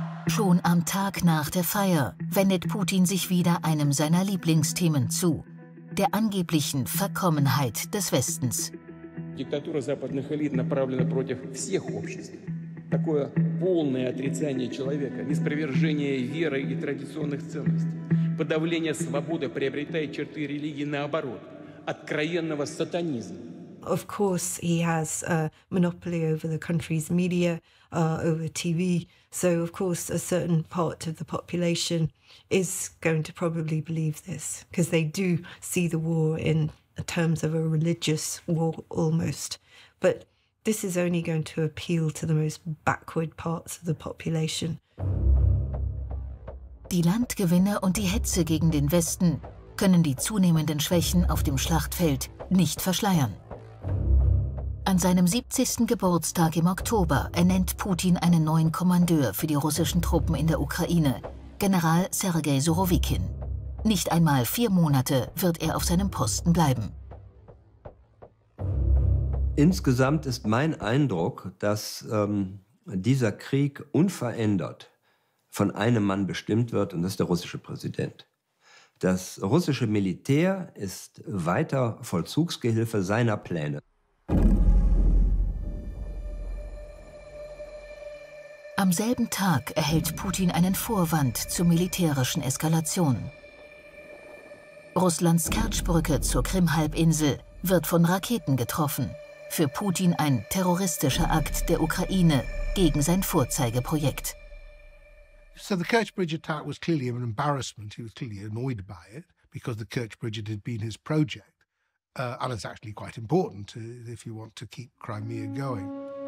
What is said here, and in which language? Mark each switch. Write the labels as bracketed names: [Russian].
[German] Schon am Tag nach der Feier wendet Putin sich wieder einem seiner Lieblingsthemen zu, der angeblichen Verkommenheit des Westens. [Russian] Диктатура западных элит направлена против всех обществ. Такое полное отрицание человека, неспровержение веры и традиционных ценностей. Подавление свободы приобретает черты религии наоборот, откровенного сатанизма. [English] Of course, he has a monopoly over the country's media, over TV. So, of course, a certain part of the population is going to probably believe this, because they do see the war in terms of a religious war almost. But This is only going to appeal to the most backward parts of the population. [German] Die Landgewinne und die Hetze gegen den Westen können die zunehmenden Schwächen auf dem Schlachtfeld nicht verschleiern. An seinem 70. Geburtstag im Oktober ernennt Putin einen neuen Kommandeur für die russischen Truppen in der Ukraine, General Sergei Surowikin. Nicht einmal 4 Monate wird er auf seinem Posten bleiben. Insgesamt ist mein Eindruck, dass dieser Krieg unverändert von einem Mann bestimmt wird, und das ist der russische Präsident. Das russische Militär ist weiter Vollzugsgehilfe seiner Pläne. Am selben Tag erhält Putin einen Vorwand zur militärischen Eskalation. Russlands Kertschbrücke zur Krim-Halbinsel wird von Raketen getroffen. Für Putin ein terroristischer Akt der Ukraine gegen sein Vorzeigeprojekt. [English] So the Kerch Bridge attack was clearly an embarrassment. He was clearly annoyed by it because the Kerch Bridge had been his project. And it's actually quite important to, if you want to keep Crimea going.